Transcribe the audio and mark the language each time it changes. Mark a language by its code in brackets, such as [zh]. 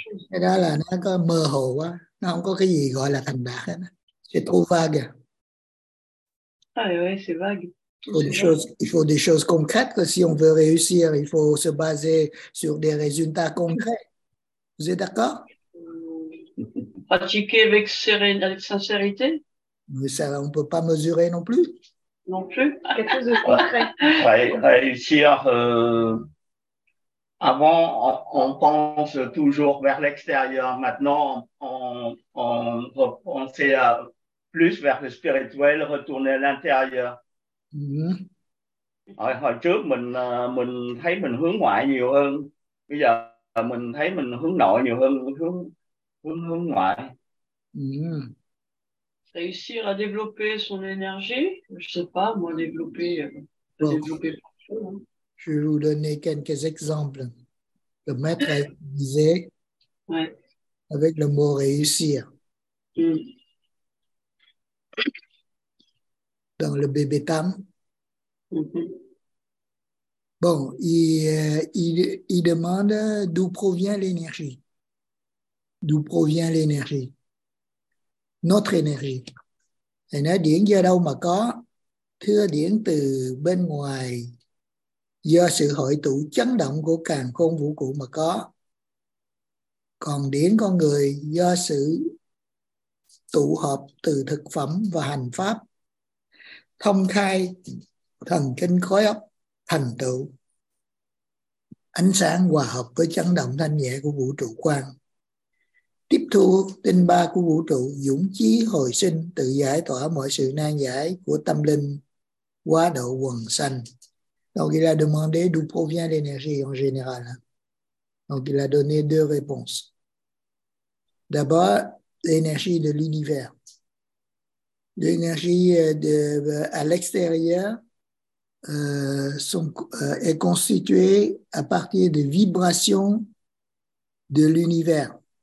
[vi] Cái đó là nó có mơ hồ quá, nó không có cái gì gọi là thành đạt hết. [fr] C'est trop vague. Ah, ouais, c'est vague. Il faut des choses concrètes. Si on veut réussir, il faut se baser sur des résultats concrets. Vous êtes d'accord? Pratiquer avec sincérité. Mais ça, on peut pas mesurer non plus. Non plus. Quelque chose de concret. Réussir. Avant, on pense toujours vers l'extérieur. Maintenant, on pense plus vers le spirituel, retourner à l'intérieur. [vi] Hồi trước mình thấy mình hướng ngoại nhiều hơn. Bây giờ mình thấy mình hướng nội nhiều hơn, hướng ngoại. [fr] Réussir à développer son énergie, je sais pas, moi développer. Je vais vous donner quelques exemples. Le maître disait avec le mot réussir. Dans le bébé Tam. Bon, il demande d'où provient l'énergie. D'où provient l'énergie. Notre énergie. [vi] Thầy nói điển do đâu mà có? Thưa điển từ bên ngoài. Do sự hội tụ chấn động của càn khôn vũ trụ mà có. Còn điển con người do sự tụ hợp từ thực phẩm và hành pháp. Thông khai thần kinh khối óc thành tựu. Ánh sáng hòa hợp với chấn động thanh nhẹ của vũ trụ quang. Tiếp thu tinh ba của vũ trụ, dũng chí hồi sinh, tự giải tỏa mọi sự nan giải của tâm linh, quá độ quần sanh. [fr] Donc il a demandé d'où provient l'énergie en général. Donc il a donné deux réponses. D'abord, l'énergie de l'univers. L'énergie à l'extérieur est constituée à partir de vibrations de l'univers.